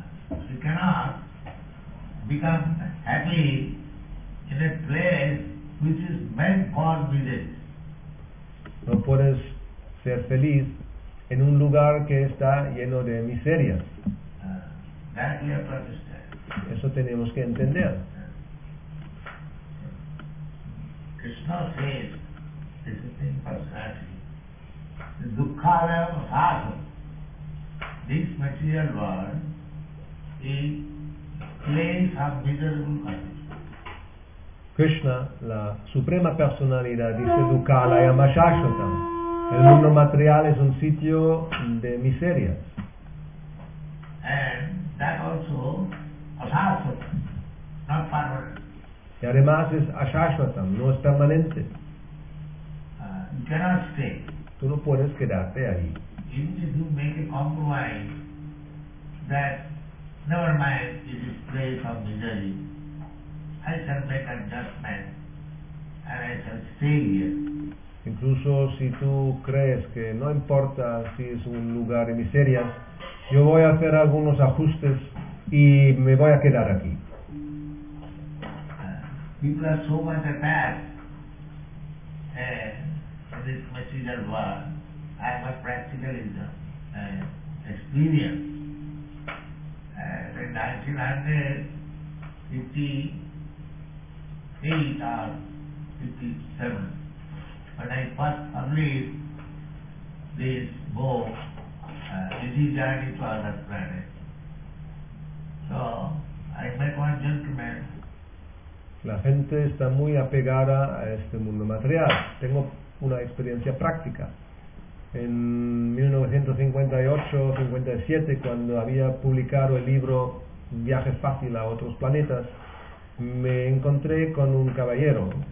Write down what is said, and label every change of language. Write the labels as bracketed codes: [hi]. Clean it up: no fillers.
[en] You cannot become happy in a place which is meant for misery. [es] No puedes ser feliz en un lugar que está lleno de miseria. [en] That we have to understand. [es] Eso tenemos que entender. [en] Krishna says, this is the impersonality, Dukkhalayam Bhava. This material world is place of miserable condition. [es] Krishna, la suprema personalidad, dice Dukkhalayam Ashashvatam. El mundo material es un sitio de miseria. [en] And that also Ashashvatam, not permanent. [es] Y además es Ashashvatam, no es permanente. [en] You cannot stay. [es] Tú no puedes quedarte ahí. [en] Even if you make a compromise that never mind it is place of misery, I shall make adjustment and I shall stay here. [es] Incluso si tú crees que no importa si es un lugar de miserias, yo voy a hacer algunos ajustes y me voy a quedar aquí. [en] People are so much attached in this material world. I have a practical experience. In 1958 or 57, when I first published this book, Easy Journey to Other Planets, so I met one gentleman. [es] La gente está muy apegada a este mundo material. Tengo una experiencia práctica. En 1958-57, cuando había publicado el libro Viaje Fácil a Otros Planetas, me encontré con un caballero.